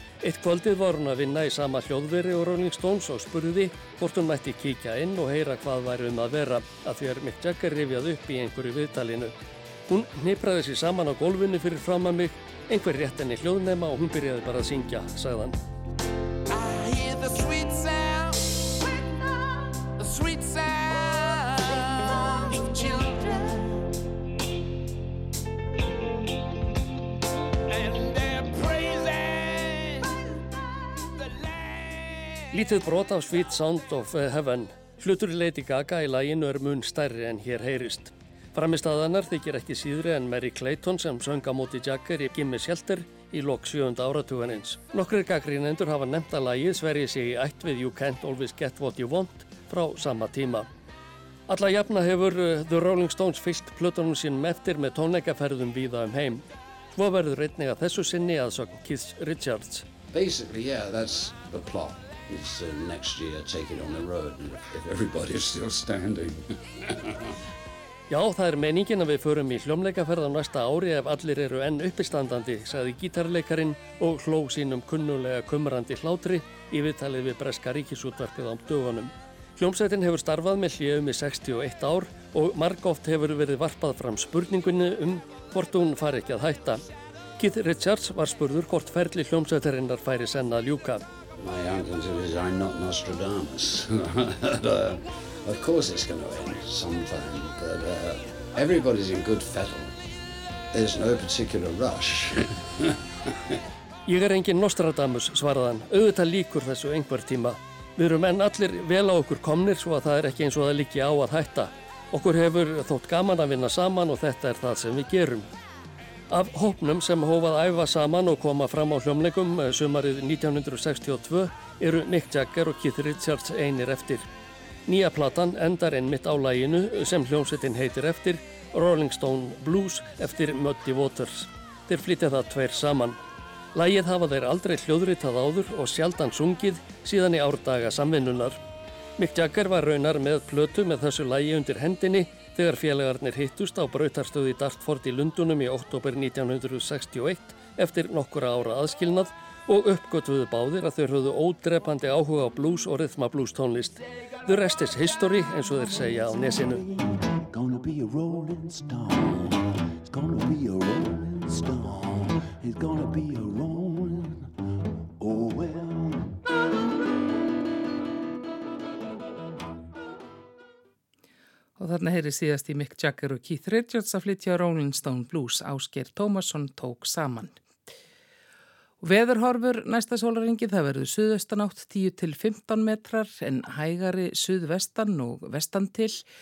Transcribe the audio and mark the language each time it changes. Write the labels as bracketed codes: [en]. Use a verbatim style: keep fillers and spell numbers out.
[is] Eitt kvöldið var hún að vinna í sama hljóðveri og Rolling Stones og spurði hvort hún mætti kíkja inn og heyra hvað væri um að vera, að því er Mick Jagger rifjað upp í einhverju viðtalinu. Hún hnipraði sig saman á gólfinu fyrir fram að mig, einhver rétt henni hljóðnema og hún byrjaði bara að syngja, sagðan. [en] Sweet sound of children, and they're praising the land. [is] Lítið brot af Sweet Sound of Heaven. Hlutur Lady Gaga í laginu er mun stærri en hér heyrist. Frammistaðanar þykir ekki síðri en Mary Clayton sem söng á móti Jagger í Gimme Shelter í lok sjöunda áratugarins. Nokkrir gaggrínendur hafa nefnt að lagið sverji sig í ætt við You Can't Always Get What You Want frá sama tíma. Alla jafna hefur The Rolling Stones fyllt plötunum sínum eftir með tónleikaferðum víða um heim. Svo verður einnig að þessu sinni að sögn Keith Richards. [en] Basically, yeah, that's the plot. It's uh, next year take it on the road and if everybody's still standing. [is] Já, það er meiningin að við förum í hljómleikaferð á næsta ári ef allir eru enn uppistandandi, sagði gítarleikarinn og hló sínum kunnulega kumrandi hlátri í viðtalið við breska ríkisútvarpið á dögunum. Hljómsveitin hefur starfað með hléum í sextíu og eitt ár og margoft hefur verið varpað fram spurningunni um hvort hún fari ekki að hætta. Keith Richards var spurður hvort ferli hljómsveitarinnar færi senn að ljúka. [en] My answer is I'm not Nostradamus. Of course it's going to end sometime, but uh, everybody's in good fettle. There's no particular rush. [is] Ég er engin Nostradamus, svaraðan. Auðvitað líkur þessu einhver tíma. Við erum enn allir vel á okkur komnir svo að það er ekki eins og það liggi á að hætta. Okkur hefur þótt gaman að vinna saman og þetta er það sem við gerum. Af hópnum sem hófað æfa saman og koma fram á hljómleikum sumarið nítján sextíu og tvö eru Mick Jagger og Keith Richards einir eftir. Nýja platan endar einmitt á laginu sem hljómsveitin heitir eftir, Rolling Stone Blues eftir Muddy Waters. Þeir flytja það tveir saman. Lagið hafa þeir aldrei hljóðritað áður og sjaldan sungið síðan í árdaga samvinnunar. Mick Jagger var raunar með plötu með þessu lagi undir hendinni þegar félagarnir hittust á brautarstöði Dartford í Lundunum í október nítján sextíu og eitt eftir nokkura ára aðskilnað og uppgötvuðu báðir að þeir höfðu ódrepandi áhuga á blues og rytmablús tónlist. [en] The rest is history, [is] eins og þeir segja á nesinu. [en] Gonna be a rolling stone, it's gonna be a rolling stone, it's gonna be a rolling, oh well. [is] Og þarna heyri síðast í Mick Jagger og Keith Richards að flytja Rolling Stone Blues. Ásgeir Tómasson tók saman. Veðurhorfur næsta sólarringi, það verður suðaustanátt tíu til fimmtán metrar en hægari suðvestan og vestan til.